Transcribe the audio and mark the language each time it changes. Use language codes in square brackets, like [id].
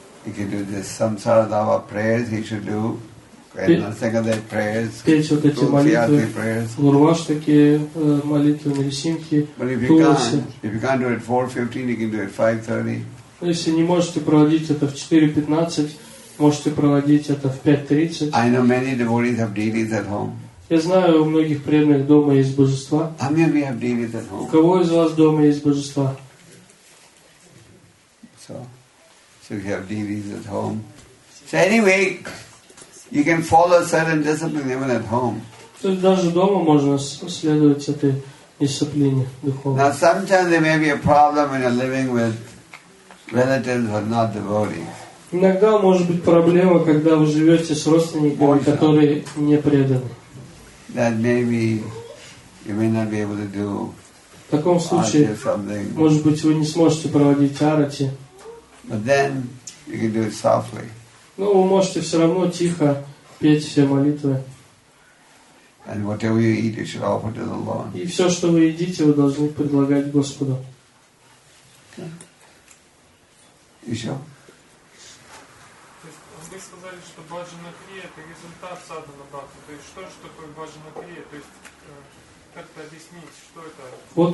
[en] He can do the samsara dava prayers. He should do. [ru] Петь вот эти молитвы, гурвашки, молитвы, если не можете проводить это в 4:15, Можете проводить это в 5:30. [en] I know many devotees have deities at home. [ru] Я знаю, у многих преданных дома есть божества. [en] How many of you have deities at home? [ru] У кого из вас дома есть божества? [en] So you have deities at home. So anyway, you can follow certain discipline even at home. [ru] То есть даже дома можно следовать этой дисциплине духовной. [en] Now sometimes there may be a problem when you're living with relatives who are not devotees. [ru] Иногда может быть проблема, когда вы живете с родственниками, которые не преданы. [en] That maybe you may not be able to do. [ru] В таком случае, может быть, вы не сможете проводить арати. [en] But then you can do it softly. [ru] Но вы можете все равно тихо петь все молитвы. [en] And whatever you eat, you should offer to the Lord. [ru] И все, что вы едите, вы должны предлагать Господу. Еще. Вы сказали, что баджана крия — это результат садхана бхакти. То есть что такое баджана крия? То есть как это объяснить, что это?